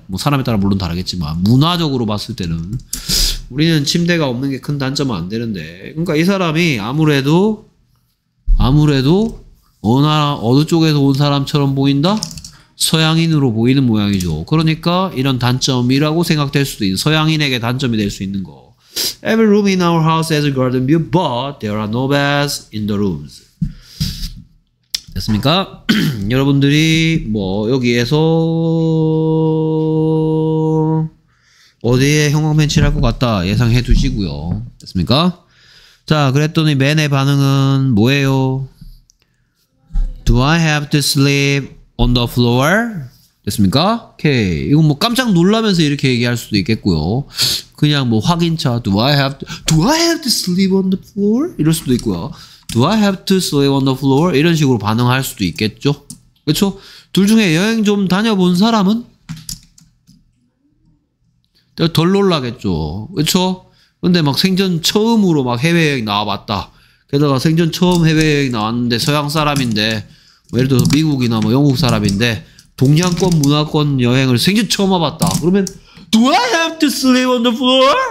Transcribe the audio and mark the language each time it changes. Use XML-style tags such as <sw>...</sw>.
<ko>뭐 사람에 따라 물론 다르겠지만 문화적으로 봤을 때는 우리는 침대가 없는 게 큰 단점은 안 되는데, 그러니까 이 사람이 아무래도 어느 쪽에서 온 사람처럼 보인다? 서양인으로 보이는 모양이죠. 그러니까 이런 단점이라고 생각될 수도 있는, 서양인에게 단점이 될 수 있는 거.</ko> <en>Every room in our house has a garden view, but there are no beds in the rooms.</en> <ko>됐습니까? 여러분들이 뭐 여기에서 어디에 형광펜치를 할 것 같다 예상해 두시고요. 됐습니까? 자, 그랬더니 맨의 반응은 뭐예요?</ko> <en>Do I have to sleep on the floor?</en> <ko>됐습니까? 오케이. 이건 뭐 깜짝 놀라면서 이렇게 얘기할 수도 있겠고요. 그냥 뭐 확인차.</ko> <en>Do I have to sleep on the floor?</en> <ko>이럴 수도 있고요.</ko> <en>Do I have to sleep on the floor?</en> <ko>이런 식으로 반응할 수도 있겠죠. 그렇죠? 둘 중에 여행 좀 다녀본 사람은 덜 놀라겠죠. 그렇죠? 근데 막 생전 처음으로 막 해외여행 나와봤다. 게다가 생전 처음 해외여행 나왔는데 서양 사람인데, 뭐 예를 들어서 미국이나 뭐 영국 사람인데 동양권 문화권 여행을 생전 처음 와봤다. 그러면</ko> <en>Do I have to sleep on the floor?</en>